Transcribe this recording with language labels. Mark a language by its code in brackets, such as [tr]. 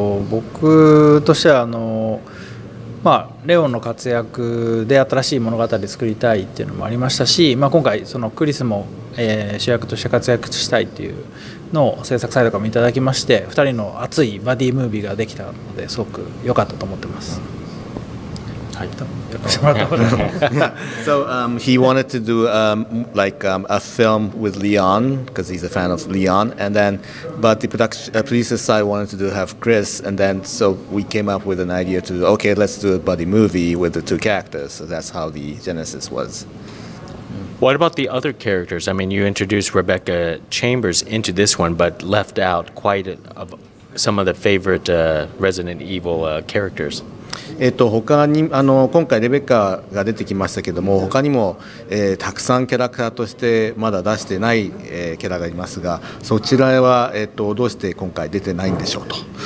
[ja] 僕としてはレオンの活躍で新しい物語を作りたいっていうのもありましたし、今回そのクリスも、主役として活躍したいっていうのを制作サイドからもいただきまして、2人の熱いバディームービーができたのですごく良かったと思ってます。 [en] So he wanted to do a film with Leon because he's a fan of Leon, but the producer side wanted to have Chris, and then so we came up with an idea to okay, let's do a buddy movie with the two characters. So that's how the genesis was. What about the other characters? I mean, you introduced Rebecca Chambers into this one, but left out quite some of the favorite Resident Evil characters. [ja] 他に今回レベッカが出てきましたけども、他にも、たくさんキャラクターとしてまだ出してない、キャラがいますが、そちらは、どうして今回出てないんでしょうと。